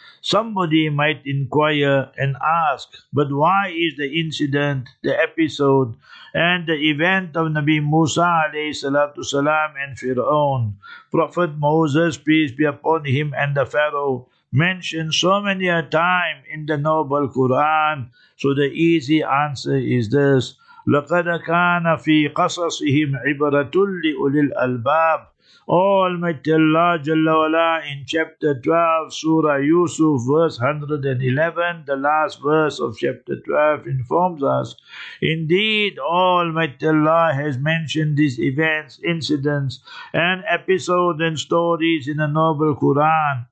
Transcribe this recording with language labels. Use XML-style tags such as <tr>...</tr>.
<en>Somebody might inquire and ask, but why is the incident, the episode, and the event of Nabi Musa alayhi salatu salam and Fir'aun, Prophet Moses, peace be upon him, and the Pharaoh, mentioned so many a time in the noble Quran? So the easy answer is this:</en> <ar>لَقَدَ كَانَ فِي قَصَصِهِمْ عِبْرَةٌ لِأُولِي الْأَلْبَابِ.</ar> <en>Almighty Allah Jalla Wala in chapter 12, Surah Yusuf, verse 111, the last verse of chapter 12, informs us, indeed Almighty Allah has mentioned these events, incidents, and episodes and stories in the noble Quran.</en>